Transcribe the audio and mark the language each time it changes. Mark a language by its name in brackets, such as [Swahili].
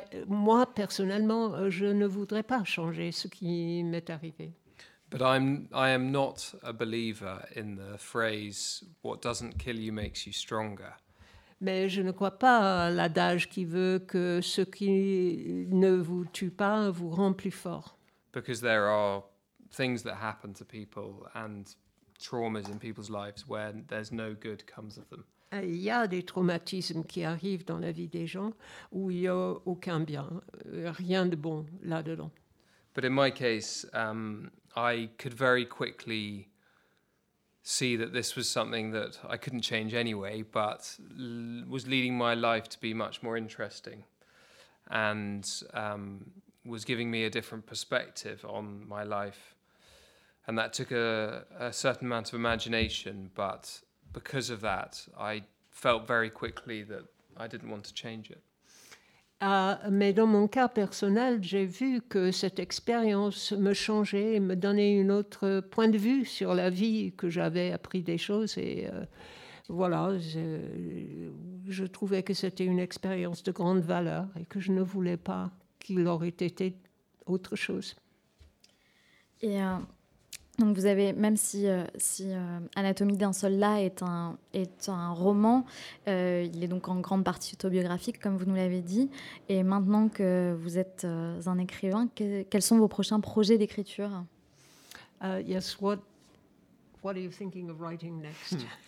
[French] Moi, personnellement, je ne voudrais pas changer ce qui m'est arrivé. [English] But I am not a believer in the phrase, what doesn't kill you makes you stronger. [French] Mais je ne crois pas à l'adage qui veut que ce qui ne vous tue pas vous rend plus fort. [English] Because there are things that happen to people and traumas in people's lives where there's no good comes of them. [French] Il y a des traumatismes qui arrivent dans la vie des gens où il n'y a aucun bien, rien de bon là-dedans. [English] But in my case, I could very quickly see that this was something that I couldn't change anyway, but was leading my life to be much more interesting and was giving me a different perspective on my life. And that took a certain amount of imagination, but because of that, I felt very quickly that I didn't want to change it. [French] Mais dans mon cas personnel, j'ai vu que cette expérience me changeait, me donnait une autre point de vue sur la vie, que j'avais appris des choses. Et voilà, je trouvais que c'était une expérience de grande valeur et que je ne voulais pas qu'il aurait été autre chose. Et donc vous avez, même si Anatomie d'un soldat est un roman, il est donc en grande partie autobiographique, comme vous nous l'avez dit. Et maintenant que vous êtes un écrivain, quels sont vos prochains projets d'écriture? [English] Yes, what are you thinking of writing next?